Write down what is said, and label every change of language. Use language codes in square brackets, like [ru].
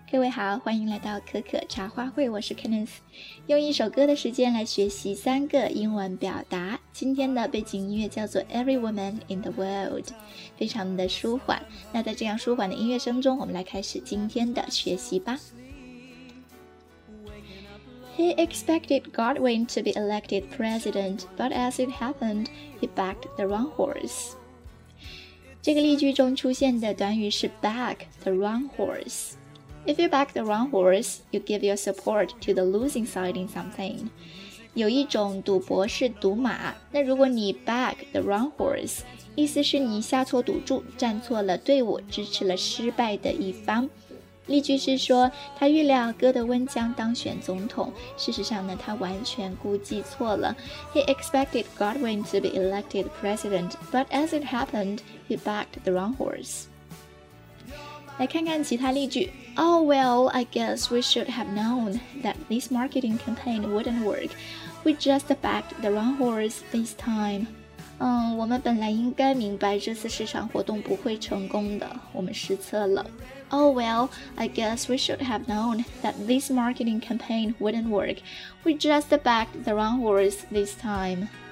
[zh] 各位好，欢迎来到可可茶话会。我是 Candice， 用一首歌的时间来学习三个英文表达。今天的背景音乐叫做 Every Woman in the World， 非常的舒缓。那在这样舒缓的音乐声中，我们来开始今天的学习吧。 [en] He expected Godwin to be elected president, but as it happened, he backed the wrong horse. [zh] 这个例句中出现的短语是 [en] back the wrong horse. If you back the wrong horse, you give your support to the losing side in something. [zh] 有一种赌博是赌马，那如果你 [en] back the wrong horse, [zh] 意思是你下错赌注，站错了队伍，支持了失败的一方。例句是说，他预料戈德温将当选总统，事实上呢，他完全估计错了。 [en] He expected Godwin to be elected president, but as it happened, he backed the wrong horse. [zh] 来看看其他例句。 [en] Oh well, I guess we should have known that this marketing campaign wouldn't work. We just backed the wrong horse this time. [zh] 我们本来应该明白这次市场活动不会成功的，我们失策了。 [en] Oh well, I guess we should have known that this marketing campaign wouldn't work. We just backed the wrong horse this time.